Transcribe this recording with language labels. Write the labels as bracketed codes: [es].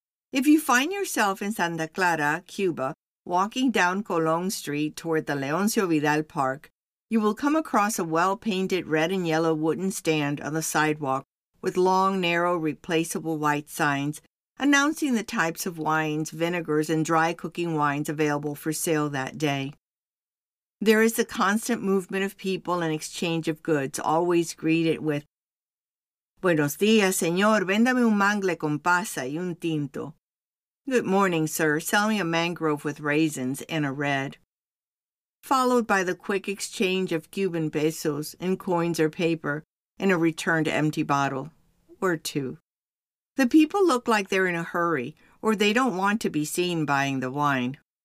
[en] If you find yourself in Santa Clara, Cuba, walking down Colón Street toward the Leoncio Vidal Park, you will come across a well-painted red and yellow wooden stand on the sidewalk with long, narrow, replaceable white signs announcing the types of wines, vinegars, and dry cooking wines available for sale that day. There is a constant movement of people and exchange of goods, always greeted with, [es] "Buenos días, señor. Véndame un mangle con pasa y un tinto." [en] "Good morning, sir. Sell me a mangrove with raisins and a red." Followed by the quick exchange of Cuban pesos in coins or paper and a returned empty bottle, or two. The people look like they're in a hurry, or they don't want to be seen buying the wine.